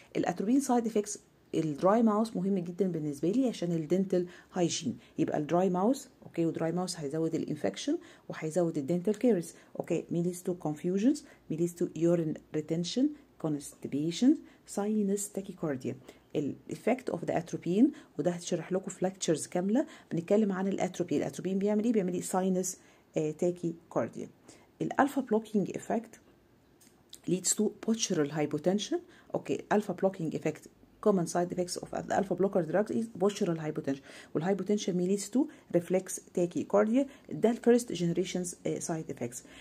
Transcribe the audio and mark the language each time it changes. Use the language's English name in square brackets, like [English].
[English] The atropine side effects, the dry mouth, [Arabic] مهم جدا بالنسبة لي عشان [English] the dental hygiene. يبقى the dry mouth, okay, the dry mouth هيزود the infection وهيزود the dental caries. Okay, leads to confusions, leads to urine retention, constipation, sinus tachycardia. [Arabic] الإفكت [English] of the atropine, [Arabic] وده هتشرح لكم في lectures كاملة, بنتكلم عن الأتروبين. الأتروبين بيعمل إيه؟ بيعمل إيه sinus tachycardia. [English] الالفا blocking effect leads to postural hypotension. Okay, alpha blocking effect common side effects of the alpha blocker drugs is postural hypotension. والhypotension leads to reflex tachycardia. ده first generation's side effects.